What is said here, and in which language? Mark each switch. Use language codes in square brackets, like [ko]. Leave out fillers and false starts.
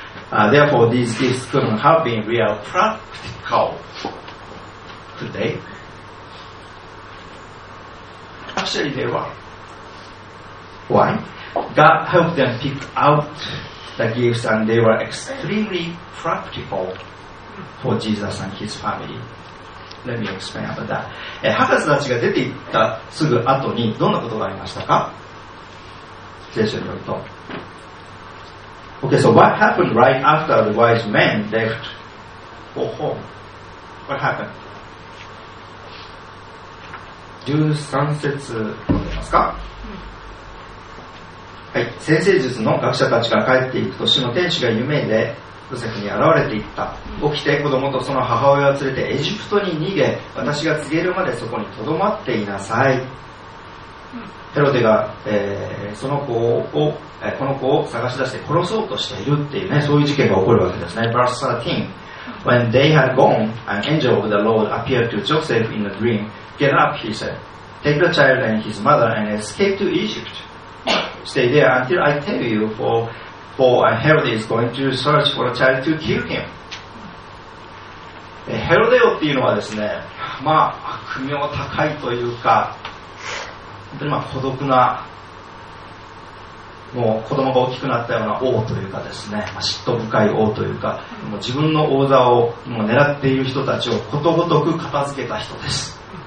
[en] Therefore, these gifts couldn't have been real practical today. Actually, they were. Why? God helped them pick outthe gifts, and they were extremely practical for Jesus and his family. Let me explain about that. [ja] 博士たちが出て行ったすぐ後にどんなことがありましたか。聖書によると。 [en] Okay, so what happened right after the wise men left for home? What happened? [ja] 13節読んでますか。はい、占星術の学者たちが帰っていくと、主の天使が夢でヨセフに現れていった。起きて子供とその母親を連れてエジプトに逃げ、私が告げるまでそこに留まっていなさい。ヘロデが、その子を、この子を探し出して殺そうとしているっていうね、そういう事件が起こるわけですね。 [en] Verse 13. When they had gone, an angel of the Lord appeared to Joseph in a dream. Get up, he said. Take the child and his mother and escape to Egypt. Stay there until I tell you, for Paul and Herod is going to search for a child to kill him. [ja] ヘロデオっていうのはですね、まあ悪名高いというか、本当にまあ孤独な、もう子供が大きくなったような王というかですね、まあ、嫉妬深い王というか、もう自分の王座をもう狙っている人たちをことごとく片付けた人です。